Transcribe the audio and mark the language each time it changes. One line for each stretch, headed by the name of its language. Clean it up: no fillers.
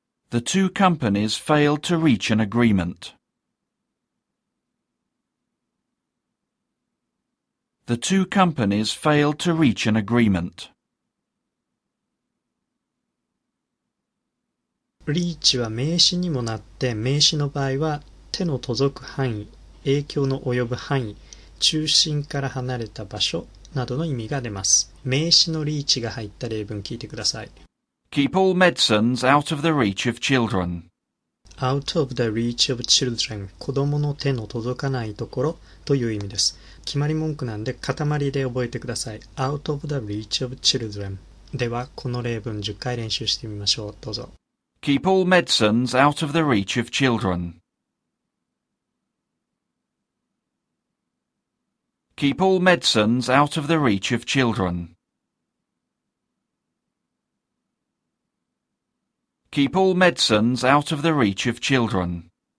English: The two companies failed to reach an agreement. The two companies failed to reach an agreement.
Japanese: Reach は名詞にもなって、名詞の場合は手の届く範囲、影響の及ぶ範囲、中心から離れた場所などの意味が出ます。名詞のリーチが入った例文聞いてください。
English: Keep all medicines out of the reach of children. Out of the reach of children.
Japanese: 子供の手の届かないところという意味です。決まり文句なんで塊で覚えてください。
English: Out of the reach of children.
Japanese: ではこの例文10回練習してみましょう。どうぞ。
English: Keep all medicines out of the reach of children. Keep all medicines out of the reach of children. Keep all medicines out of the reach of children.